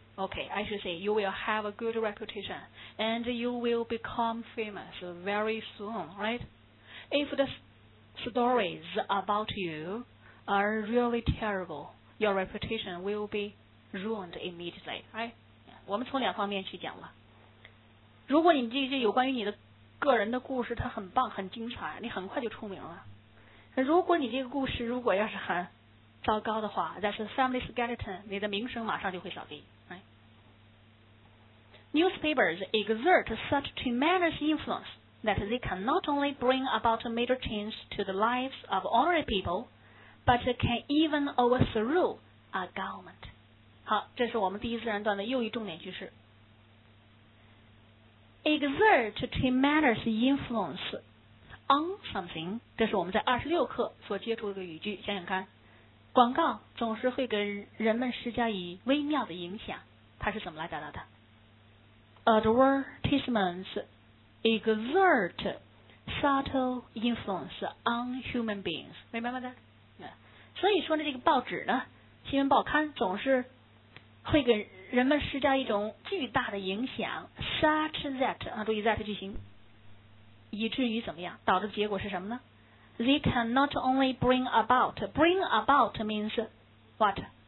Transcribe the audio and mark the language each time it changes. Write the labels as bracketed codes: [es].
[en] Okay, I should say you will have a good reputation and you will become famous very soon, right? If the stories about you are really terrible, your reputation will be ruined immediately, right? [zh] 我们从两方面去讲了。如果你这些有关于你的个人的故事它很棒很精彩，你很快就出名了。如果你这个故事如果要是很糟糕的话， [en] that's a family skeleton, [zh] 你的名声马上就会扫地。 [en] Newspapers exert such tremendous influence that they can not only bring about a major change to the lives of ordinary people, but can even overthrow a government. [zh] 好，这是我们第一自然段的又一重点句式。 [en] Exert tremendous influence on something, [zh] 这是我们在26课所接触的一个语句，想想看，广告总是会给人们施加以微妙的影响。它是怎么来表达的？ [en] Advertisements exert subtle influence on human beings. [zh] 明白吗？所以说呢，这个报纸呢，新闻报刊总是会给人们施加一种巨大的影响， such that 啊，注意 that 句型，以至于怎么样，导致的结果是什么呢？ [en] They can not only bring about, bring about means what?